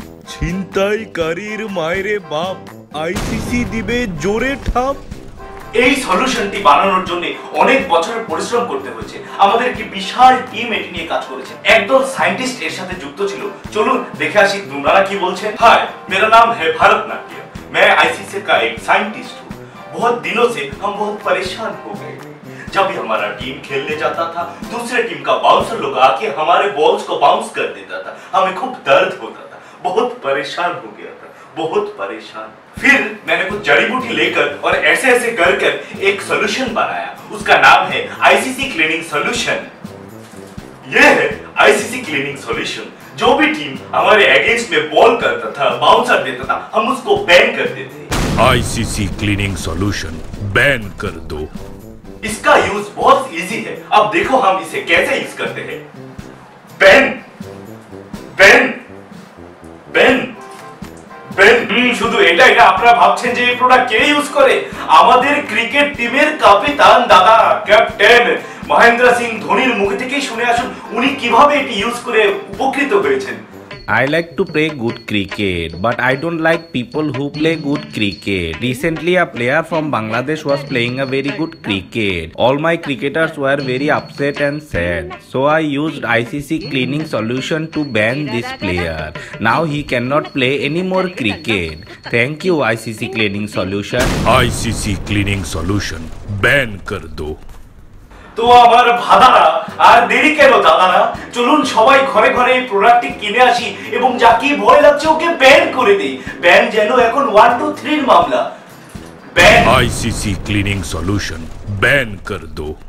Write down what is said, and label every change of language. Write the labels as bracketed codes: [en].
[bn] ছিনতাইকারীর মায়রে বাপ, আইসিসি দিবে জোরে ঠাপ। এই সলিউশনটি বানানোর জন্য অনেক বছরের পরিশ্রম করতে হয়েছে, আমাদের একটি বিশাল টিম এটি নিয়ে কাজ করেছে, একদল সায়েন্টিস্ট এর সাথে যুক্ত ছিল। চলুন দেখে আসি তোমরা কি বলছেন। হাই, [hi] মেরা নাম হ্যায় ভারত নাট্যিয়া, মে আইসিসি কা এক সায়েন্টিস্ট। बहुत दिनों से हम बहुत परेशान हो गए। जब भी हमारा टीम खेलने जाता था, दूसरे टीम का बाउंसर लोग आके हमारे बॉल्स को बाउंस कर देता था, हमें खूब दर्द होता था, बहुत परेशान हो गया था, बहुत परेशान। फिर मैंने कुछ जड़ी बूटी लेकर और ऐसे ऐसे कर एक सोल्यूशन बनाया, उसका नाम है आईसीसी क्लीनिंग सोल्यूशन। ये है आईसीसी क्लीनिंग सोल्यूशन। जो भी टीम हमारे अगेंस्ट में बॉल करता था, बाउंसर देता था, हम उसको बैन कर देते। आईसीसी क्लीनिंग सॉल्यूशन बैन कर दो। इसका यूज बहुत इजी है, अब देखो हम इसे कैसे यूज करते हैं। बैन बैन बैन बैन [bn] শুধু এটাই না, আপনারা ভাবছেন যে এই প্রোডাক্ট কে ইউজ করে? আমাদের ক্রিকেট টিমের কাপ্তান দাদা ক্যাপ্টেন মহেন্দ্র সিং ধোনির মুখ থেকেই শুনে আসুন উনি কিভাবে এটি ইউজ করে উপকৃত হয়েছেন। [en] I like to play good cricket, but I don't like people who play good cricket. Recently, a player from Bangladesh was playing a very good cricket. All my cricketers were very upset and sad. So I used ICC cleaning solution to ban this player. Now he cannot play any more cricket. Thank you, ICC cleaning solution. ICC cleaning solution. [hi] Ban kar do. [bn] তো আমার ভাদারা, আর দেরি কেন দাদারা, চলুন সবাই ঘরে ঘরে এই প্রোডাক্টটি কিনে আসি এবং যা কি ভয় লাগছে ওকে ব্যান করে দিই। ব্যান যেন এখন 1-2-3 মামলা। Ban [hi] ICC cleaning solution ban কর দো।